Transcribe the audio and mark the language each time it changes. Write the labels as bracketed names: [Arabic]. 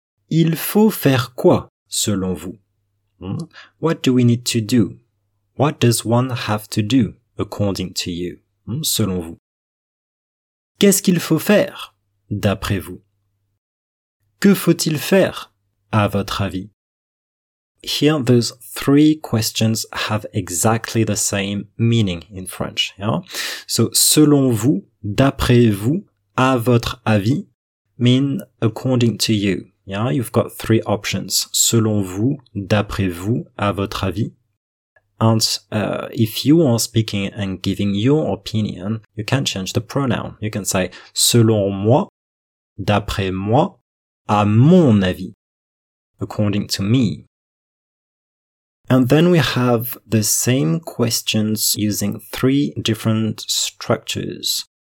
[French] Il faut faire quoi, selon vous? [English] What do we need to do? What does one have to do, according to you, [French] selon vous? Qu'est-ce qu'il faut faire, d'après vous? Que faut-il faire, à votre avis? [English] Here, those three questions have exactly the same meaning in French. Yeah? So, [French] selon vous, d'après vous, à votre avis, [English] mean according to you. Yeah? You've got three options. [French] Selon vous, d'après vous, à votre avis. [English] And if you are speaking and giving your opinion, you can change the pronoun. You can say, [French] selon moi, d'après moi, à mon avis, [English] according to me. And then we have the same questions using three different structures.